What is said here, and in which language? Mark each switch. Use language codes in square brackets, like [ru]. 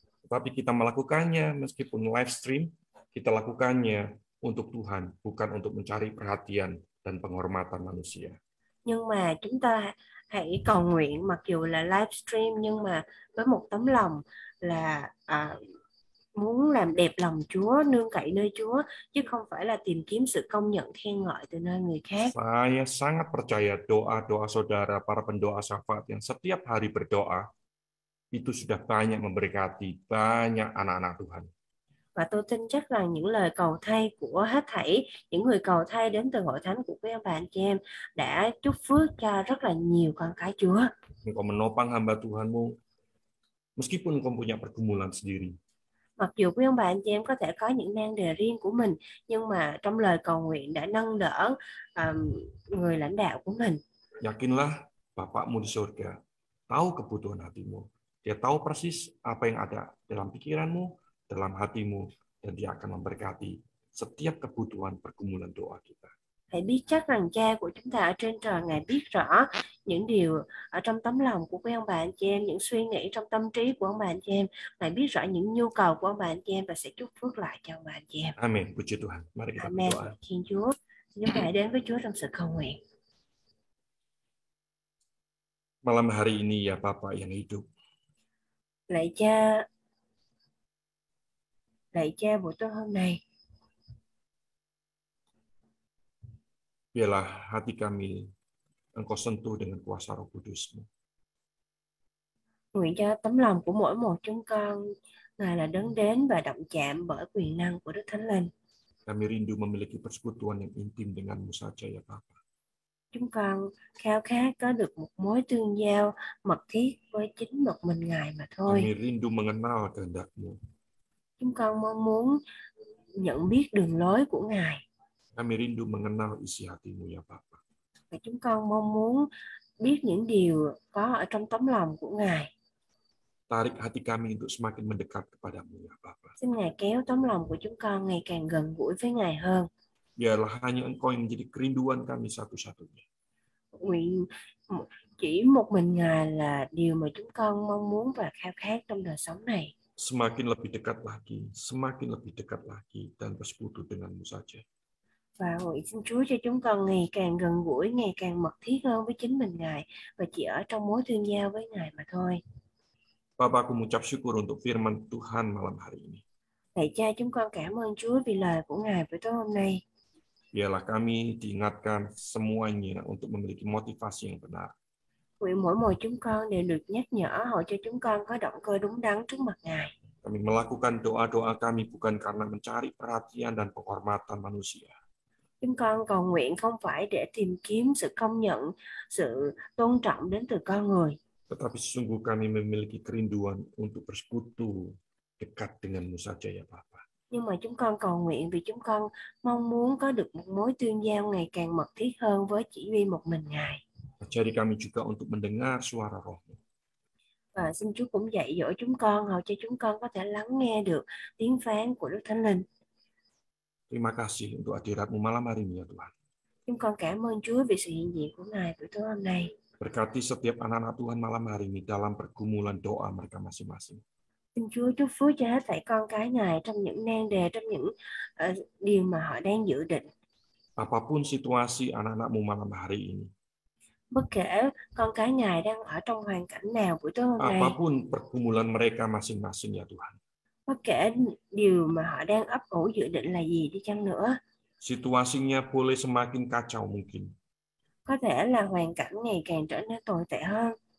[id] Tapi kita melakukannya meskipun live stream, kita lakukannya untuk Tuhan, bukan untuk mencari perhatian dan penghormatan manusia. [vi] Nhưng mà chúng ta hãy cầu nguyện mặc dù là live stream nhưng mà với một tấm lòng là muốn làm đẹp lòng Chúa, nương cậy nơi Chúa, chứ không phải là tìm kiếm sự công nhận khen ngợi từ nơi người khác. [id] Saya sangat percaya doa-doa saudara, para pendoa syafaat yang setiap hari berdoa, itu sudah banyak memberkati banyak anak-anak Tuhan. [vi] Và tôi tin chắc rằng những lời cầu thay của hết thảy, những người cầu thay đến từ hội thánh của quý ông bà anh chị em đã chúc phước cho rất là nhiều con cái Chúa. [id] Engkau menopang hamba Tuhanmu, meskipun engkau punya pergumulan sendiri. [vi] Mặc dù quý ông bà anh chị em có thể có những nan đề riêng của mình, nhưng mà trong lời cầu nguyện đã nâng đỡ người lãnh đạo của mình. [id] Yakinlah, Bapakmu di surga tahu kebutuhan hatimu. Dia tahu persis apa yang ada dalam pikiranmu, dalam hatimu, dan dia akan memberkati setiap kebutuhan pergumulan doa kita. [vi] Hãy biết chắc rằng Cha của chúng ta ở trên trời, Ngài biết rõ những điều ở trong tấm lòng của quý ông bà anh chị em, những suy nghĩ trong tâm trí của ông bà anh chị em. Ngài biết rõ những nhu cầu của ông bà anh chị em và sẽ chúc phước lại cho ông bà anh chị em. [id] Amen. Puji Tuhan. Mari kita berdoa. [vi] Amen. Thiên Chúa. Chúng ta hãy đến với Chúa trong sự cầu nguyện. [id] Malam hari ini ya Bapa yang hidup. [vi] Lạy Cha buổi tối hôm nay. [id] Biarlah hati kami engkau sentuh dengan kuasa Roh Kudus-Mu. [vi] Nguyện cho tấm lòng của mỗi một chúng con Ngài là đấng đến và động chạm bởi quyền năng của Đức Thánh Linh. [id] Kami rindu memiliki persekutuan yang intim dengan-Mu saja ya Bapa. [vi] Chúng con khao khát có được một mối tương giao mật thiết với chính một mình Ngài mà thôi. [id] Kami rindu mengenal kehendak-Mu. [vi] Chúng con mong muốn nhận biết đường lối của Ngài. [id] Kami rindu mengenal isi hatimu ya Bapa. [vi] Và chúng con mong muốn biết những điều có ở trong tấm lòng của Ngài. [id] Tarik hati kami untuk semakin mendekat kepadamu ya Bapa. [vi] Xin Ngài kéo tấm lòng của chúng con ngày càng gần gũi với Ngài hơn. [id] Biarlah hanya Engkau yang menjadi kerinduan kami satu-satunya. [vi] Nguyện chỉ một mình Ngài là điều mà chúng con mong muốn và khao khát trong đời sống này. [id] Semakin lebih dekat lagi, semakin lebih dekat lagi dan bersekutu denganmu saja. [vi] Và hội xin Chúa cho chúng con ngày càng gần gũi, ngày càng mật thiết hơn với chính mình Ngài và chỉ ở trong mối tương giao với Ngài mà thôi. [id] Bapa, aku mengucap syukur untuk firman Tuhan malam hari ini. [vi] Lạy Cha, chúng con cảm ơn Chúa vì lời của Ngài buổi tối hôm nay. [id] Biarlah kami diingatkan semuanya untuk memiliki motivasi yang benar. [vi] Nguyện mỗi một chúng con đều được nhắc nhở hội cho chúng con có động cơ đúng đắn trước mặt Ngài. [id] Kami melakukan doa-doa kami bukan karena mencari perhatian dan penghormatan manusia. [vi] Chúng con cầu nguyện không phải để tìm kiếm sự công nhận, sự tôn trọng đến từ con người. [id] Tetapi sungguh kami memiliki kerinduan untuk bersekutu dekat denganmu saja ya Bapa. [vi] Nhưng mà chúng con cầu nguyện vì chúng con mong muốn có được một mối tương giao ngày càng mật thiết hơn với chỉ duy một mình Ngài. [id] Ajari kami juga untuk mendengar suara rohmu. [vi] Và xin Chúa cũng dạy dỗ chúng con, hầu cho chúng con có thể lắng nghe được tiếng phán của Đức Thánh Linh. [id] Terima kasih untuk hadiratmu malam hari ini ya Tuhan. [vi] Chúng con cảm ơn Chúa vì sự hiện diện của Ngài buổi tối hôm nay. [id] Berkati setiap anak-anak Tuhan malam hari ini dalam pergumulan doa mereka masing-masing. [vi] Xin Chúa chúc phước cho hết thảy con cái Ngài trong những nan đề, trong những điều mà họ đang dự định. [id] Apapun situasi anak-anakmu malam hari ini. [vi] Bất kể con cái Ngài đang ở trong hoàn cảnh nào buổi tối hôm nay. [id] Apapun pergumulan mereka masing-masing ya Tuhan. [vi] Bất kể điều mà họ đang ấp ủ dự định là gì đi chăng nữa. [id] Situasinya boleh semakin kacau mungkin. [vi] Có thể là hoàn cảnh ngày càng trở nên tồi tệ hơn.